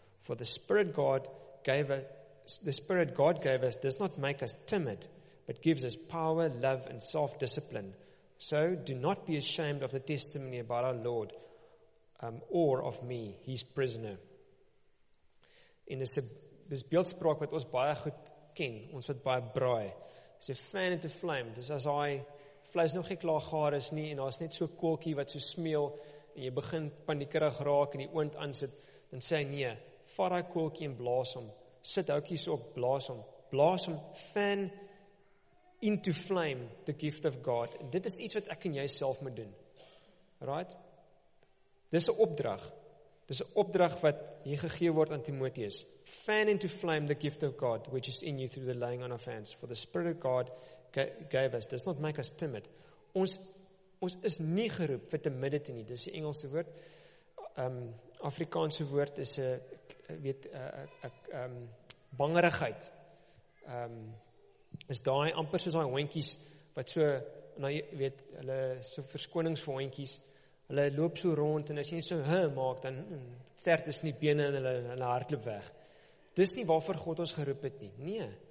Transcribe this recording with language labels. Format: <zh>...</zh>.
<en>For the Spirit God gave us does not make us timid, but gives us power, love and self-discipline. So do not be ashamed of the testimony about our Lord or of me, his prisoner.</en> <af>En dis 'n beeldspraak wat ons baie goed ken, ons wat baie braai. Dis 'n</af> <en>fan into flame,</en> <af>dis as hy vleis nog nie klaar gaar is nie en daar's net so koeltjie wat so smeel en jy begin paniekerig raak en die oond aansit, dan sê hy nee, vat hy koeltjie en blaas hom, sit houtjies op, blaas hom,</af> <en>fan into flame the gift of God.</en> <af>Dit is iets wat ek en jy self moet doen. Right? Dis 'n opdrag. Dis 'n opdrag wat hier gegee word aan Timoteus.</af> <en>Fan into flame the gift of God which is in you through the laying on of hands. For the Spirit of God gave us. Does not make us timid.</en> <af>Ons is nie geroep vir timidity nie. Dis 'n Engelse woord. Afrikaanse woord is 'n bangerigheid. Is daai amper soos daai hondjies wat so, nou jy weet, hulle so verskonings vir hondjies, hulle loop so rond en as jy nie so maak, dan stert is nie bene en hulle hardloop weg. Dis nie waarvoor God ons geroep het nie, nee.</af>